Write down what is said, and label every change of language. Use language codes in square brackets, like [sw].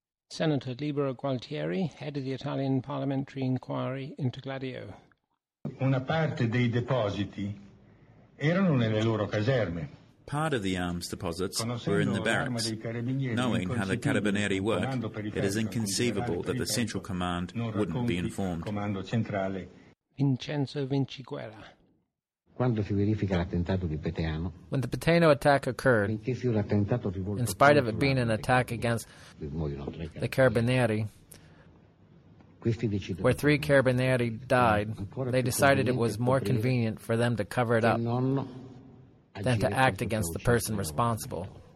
[en] Senator Libero Gualtieri, head of the Italian parliamentary inquiry into Gladio. [it] Una parte dei depositi erano nelle loro caserme. [en] Part of the arms deposits were in the barracks. Knowing how the Carabinieri work, it is inconceivable that the Central Command wouldn't be informed. Vincenzo Vinciguerra. When the Peteano attack occurred, in spite of it being an attack against the Carabinieri, where three Carabinieri died, they decided it was more convenient for them to cover it up than to act against the person responsible.